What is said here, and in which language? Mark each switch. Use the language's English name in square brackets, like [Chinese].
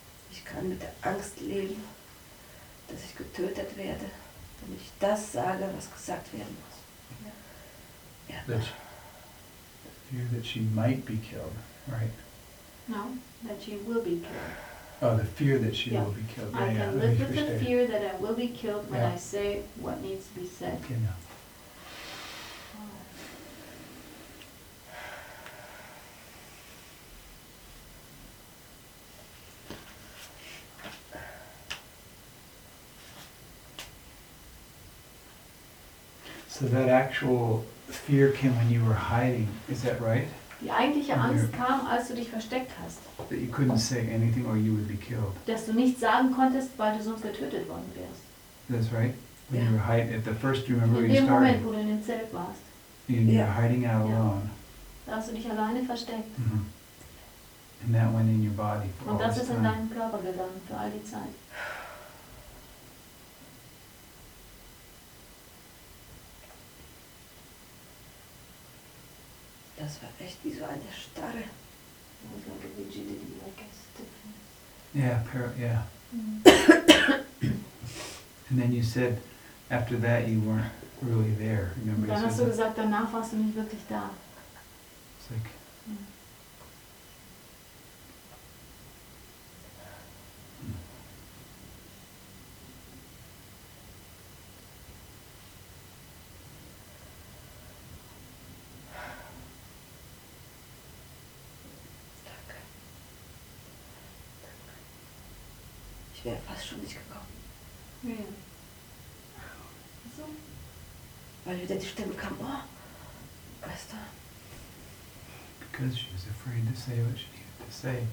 [German] Ich kann mit der Angst leben, dass ich getötet werde, wenn ich das sage, was gesagt werden muss. Ja. [English] That fear that she might be killed, right? No, that she will be killed. Oh, the fear that she will be killed. I can live with the fear that I will be killed when I say what needs to be said. [German] Genau. [English] So that actual fear came when you were hiding, is that right? [German] Die eigentliche Angst kam, als du dich versteckt hast. [English] That you couldn't say anything or you would be killed. [German] Dass du nichts sagen konntest, weil du sonst getötet worden wärst. [English] That's right. When you were hiding, at the first, remember in you started. [German] In dem Moment, wo du in dem Zelt warst. [English] And you were hiding out alone. [German] Da hast du dich alleine versteckt. [English] Mm-hmm. And that went in your body for [German] und [English] all [German] das ist [English] time. [German] In deinem Körper gegangen für all die Zeit. Das war echt wie so eine Starre. [English] Like a rigidity, like a stiffness. Yeah. And then you said, after that you weren't really there. Remember [German] dann hast du gesagt, danach warst du nicht wirklich da. [English] It's like... [German] Ich wäre fast schon nicht gekommen. Nee. So? Weil wieder die Stimme kam, oh, weißt du? [English] Because she was afraid to say what she needed to say.